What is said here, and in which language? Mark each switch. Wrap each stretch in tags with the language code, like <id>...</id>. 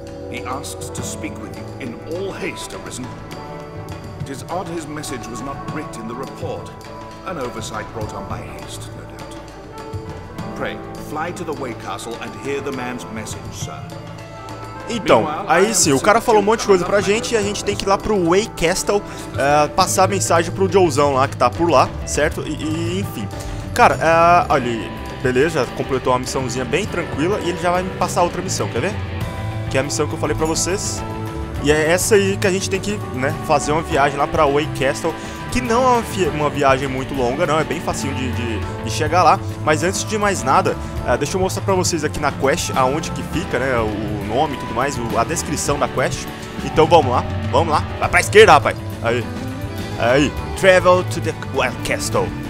<en>He asks to speak with you in all haste, Arisen. It is odd his message was not writ in the report. An oversight brought on by haste, no doubt. Pray, fly to the Waycastle and hear the man's message, sir.</en> <pt>Então, aí sim, o cara falou um monte de coisa pra gente e a gente tem que ir lá pro Waycastle passar a mensagem pro Joezão lá que tá por lá, certo? E enfim. Cara, olha, beleza, completou uma missãozinha bem tranquila e ele já vai me passar outra missão, quer ver? Que é a missão que eu falei pra vocês. E é essa aí que a gente tem que, né, fazer uma viagem lá pra Waycastle. Que não é uma viagem muito longa, não. É bem facinho de chegar lá. Mas antes de mais nada, deixa eu mostrar pra vocês aqui na quest aonde que fica, né? O nome e tudo mais, a descrição da quest. Então vamos lá, vamos lá. Vai pra esquerda, rapaz. Aí. Aí.</pt> <en>Travel to the Waycastle.</en>